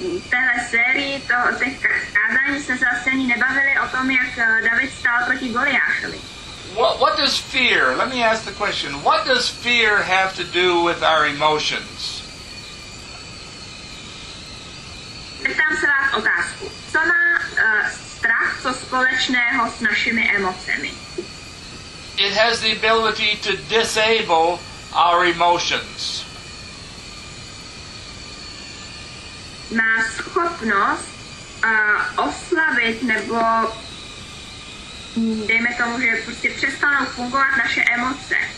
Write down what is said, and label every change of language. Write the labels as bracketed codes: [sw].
[cs] Téhle sérii, těch kázání jsme se asi ani nebavili o tom, jak David stál proti Goliášovi. [en] What does fear, let me ask the question, what does fear have to do with our emotions? [cs] Ptám se vás otázku. Co má strach, co společného s našimi emocemi? [en] It has the ability to disable our emotions. [cs] Má schopnost oslabit, nebo dejme tomu, že prostě přestanou fungovat naše emoce.